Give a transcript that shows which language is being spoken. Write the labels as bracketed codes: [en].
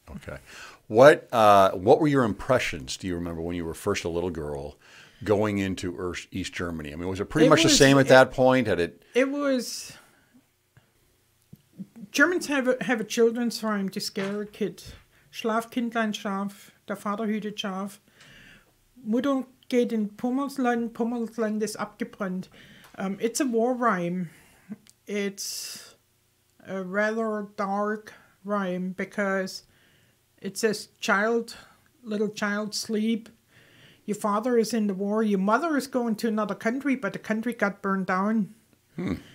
[en] Okay. What were your impressions, do you remember, when you were first a little girl going into East Germany? I mean, was it pretty much the same at that point? It was... Germans have a children's rhyme to scare a kid. [de] Schlaf, Kindlein, schlaf, der Vater hütet schaf. Mutter geht in Pummelsland, Pummelsland ist abgebrannt. [en] It's a war rhyme. It's a rather dark rhyme because it says child, little child, sleep. Your father is in the war. Your mother is going to another country, but the country got burned down. Hmm.